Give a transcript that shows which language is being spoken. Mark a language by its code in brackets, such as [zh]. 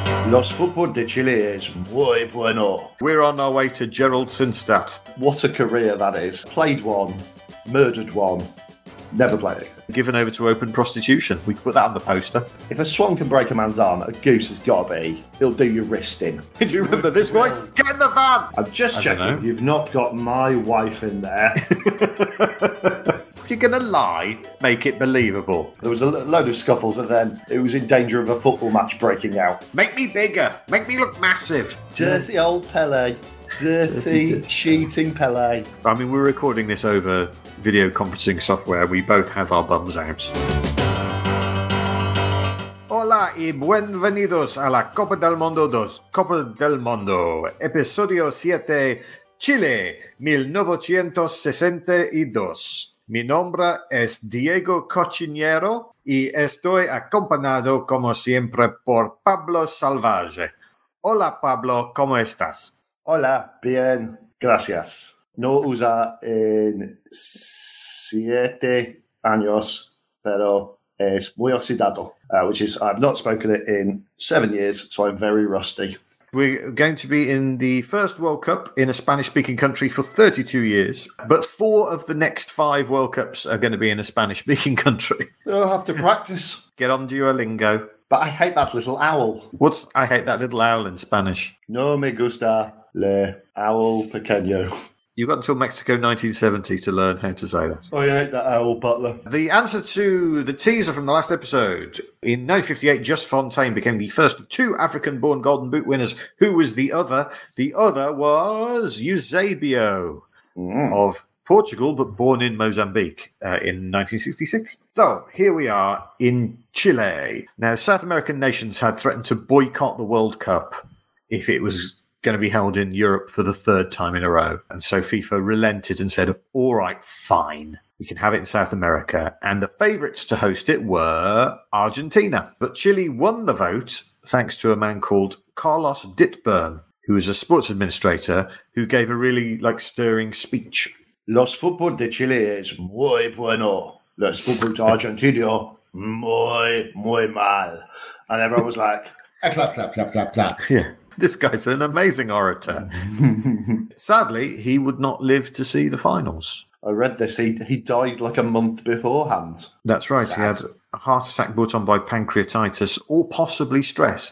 [es] Los Fútbol de Chile es muy bueno. [en] We're on our way to Gerald Sinstadt. What a career that is. Played one, murdered one, never played it. Given over to open prostitution. We could put that on the poster. If a swan can break a man's arm, a goose has got to be. He'll do your wrist in. Do you remember this voice? Get in the van! I'm just checking. You've not got my wife in there. You're going to lie, make it believable. There was a load of scuffles and then it was in danger of a football match breaking out. Make me bigger. Make me look massive. Dirty old Pelé. Dirty cheating Pelé. I mean, we're recording this over video conferencing software. We both have our bums out. [es] Hola y buenvenidos a la Copa del Mundo 2. Copa del Mundo. Episodio 7. Chile, 1962. Mi nombre es Diego Cochiniero y estoy acompañado, como siempre, por Pablo Salvaje. Hola, Pablo, ¿cómo estás? Hola, bien, gracias. No usa en 7 años, pero es muy oxidado, [en] which is, I've not spoken it in 7 years, so I'm very rusty. We're going to be in the first World Cup in a Spanish-speaking country for 32 years, but 4 of the next 5 World Cups are going to be in a Spanish-speaking country. I'll have to practice. Get on Duolingo. But I hate that little owl. What's I hate that little owl in Spanish? [es] No me gusta le owl pequeño. [en] You've got until Mexico 1970 to learn how to say that. Oh, I hate that owl, Butler. The answer to the teaser from the last episode. In 1958, Just Fontaine became the first of 2 African-born Golden Boot winners. Who was the other? The other was Eusebio of Portugal, but born in Mozambique in 1966. So here we are in Chile. Now, South American nations had threatened to boycott the World Cup if it was going to be held in Europe for the 3rd time in a row. And so FIFA relented and said, all right, fine, we can have it in South America. And the favourites to host it were Argentina. But Chile won the vote thanks to a man called Carlos Ditburn, who was a sports administrator who gave a really like stirring speech. [es] Los Fútbol de Chile es muy bueno. Los Fútbol de Argentina, muy, muy mal. [en] And everyone was like, clap, clap, clap, clap, clap. Yeah. This guy's an amazing orator. Sadly, he would not live to see the finals. I read this. He died like a month beforehand. That's right. Sad. He had a heart attack brought on by pancreatitis or possibly stress.